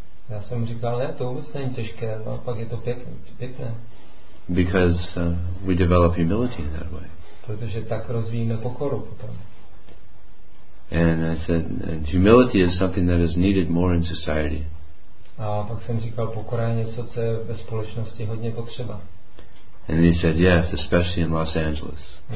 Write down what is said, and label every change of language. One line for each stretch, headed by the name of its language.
Czech: Já jsem říkal, ne, to vůbec není těžké, a pak je to pěkné.
English: Because we develop humility in that way.
Czech: Protože tak rozvíjíme pokoru potom.
English: And I said, and humility is something that is needed more in society.
Czech: A pak jsem říkal, pokora je něco, co je ve společnosti hodně potřeba.
English: And he said, yes, especially in Los Angeles.